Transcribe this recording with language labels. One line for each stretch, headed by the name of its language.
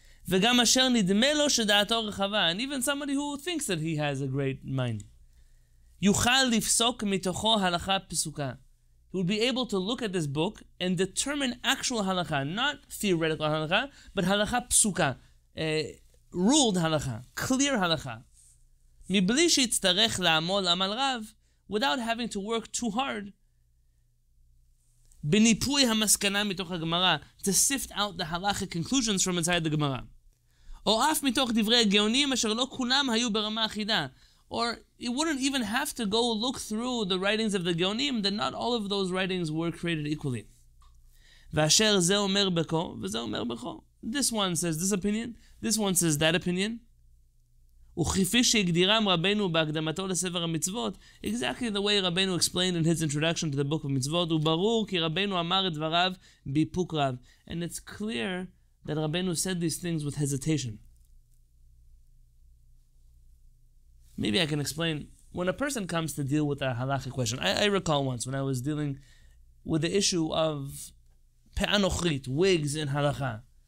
English: And even somebody who thinks that he has a great mind, he would be able to look at this book and determine actual halakha, not theoretical halakha, but halakha psuka, ruled halakha, clear halakha, without having to work too hard
Hebrew: בניפוי המסקנה מתוך הגמרא,
English: to sift out the halachic conclusions from inside the Gemara.
Hebrew: או אף מתוך דברי הגאונים אשר לא כולם היו ברמה אחידה.
English: Or it wouldn't even have to go look through the writings of the
Hebrew: גאונים,
English: that not all of those writings were created equally.
Hebrew: ואשר זה אומר בכו, וזה אומר בכו.
English: This one says this opinion, this one says that opinion.
Hebrew: וכפי שהגדירם רבנו בהקדמתו לספר המצוות,
English: exactly the way רבנו explained in his introduction to the book of מצוות,
Hebrew: הוא ברור כי רבנו אמר את דבריו ביפוק רב.
English: And it's clear that רבנו said these things with hesitation. Maybe I can explain. When a person comes to deal with a halakhic question, I recall once when I was dealing with the issue of pe'anochrit, wigs in halakha.